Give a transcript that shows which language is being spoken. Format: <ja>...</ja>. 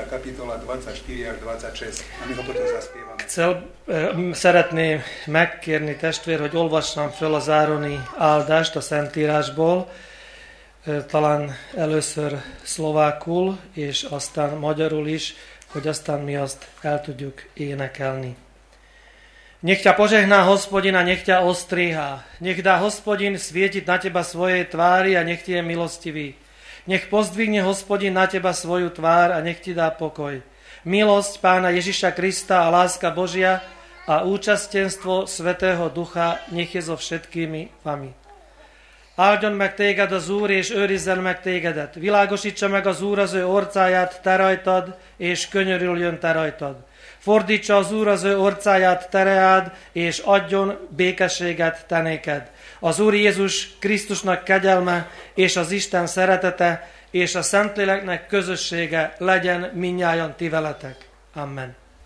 <sk>kapitola 24 až 26. A my ho potom zaspievame.</sk> <hu>Szeretném megkérni testvér, hogy olvassam fel az Ároni áldást a Szentírásból, talán először szlovákul, és aztán magyarul is, hogy aztán mi azt el tudjuk énekelni.</hu> <sk>Nech ťa požehná Hospodin a nech ťa ostríha. Nech dá Hospodin svietiť na teba svoje tváry a nech ti je milostivý. Nech pozdvihne Hospodin na teba svoju tvár a nech ti dá pokoj. Milosť Pána Ježiša Krista a láska Božia a účastenstvo Svätého Ducha nech je so všetkými vami.</sk> <hu>Áldjon meg téged az Úr, és őrizzen meg tégedet. Világosítsa meg az Úr az ő orcáját te rajtad, és könyörüljön te rajtad. Fordítsa az Úr az ő orcáját te reád, és adjon békességet te néked. Az Úr Jézus Krisztusnak kegyelme, és az Isten szeretete, és a Szentléleknek közössége legyen mindnyájan ti veletek. Amen.</hu>